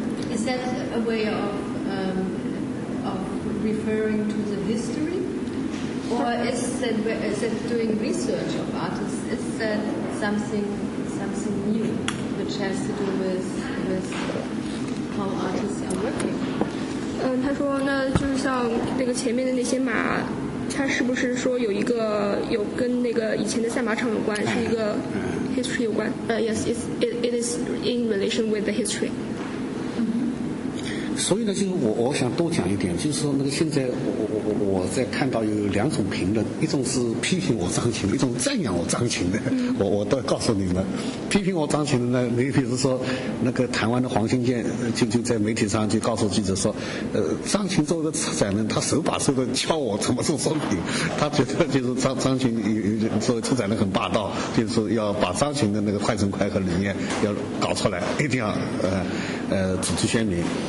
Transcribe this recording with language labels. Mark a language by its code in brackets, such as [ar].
[en] Is that a way of referring to the history? Or is that doing research of artists? Is that something new which has to do with how artists are working? [zh] 他说那就是像那个前面的那些马，他是不是说有一个有跟那个以前的赛马场有关，是一个 history 有关？ [en] Yes, it is in relation with the history. [zh] 所以呢，就是我想多讲一点，就是说那个现在我在看到有两种评论，一种是批评我张琴，一种赞扬我张琴的。我都告诉你们，批评我张琴的呢，你比如说那个台湾的黄兴建就在媒体上就告诉记者说，张琴作为一个策展人，他手把手的教我怎么做作品，他觉得就是张琴有作为策展人很霸道，就是要把张琴的那个快成快和理念要搞出来，一定要组织鲜明。